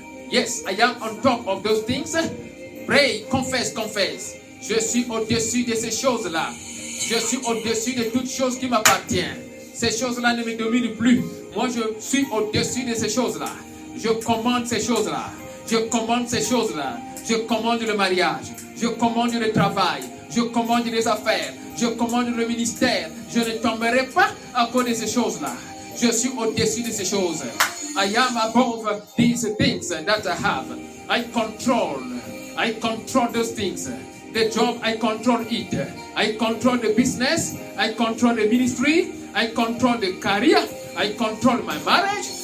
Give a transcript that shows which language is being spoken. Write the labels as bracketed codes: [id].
[en] Yes, I am on top of those things. Pray, confess, confess. [fr] Je suis au-dessus de ces choses-là. Je suis au-dessus de toutes choses qui m'appartiennent. Ces choses-là ne me dominent plus. Moi, je suis au-dessus de ces choses-là. Je commande ces choses-là. Je commande ces choses-là. Je commande le mariage. Je commande le travail. Je commande les affaires. Je commande le ministère. Je ne tomberai pas à cause de ces choses-là. Je suis au-dessus de ces choses. [en] I am above these things that I have. I control. I control those things. The job, I control it. I control the business. I control the ministry. I control the career. I control my marriage.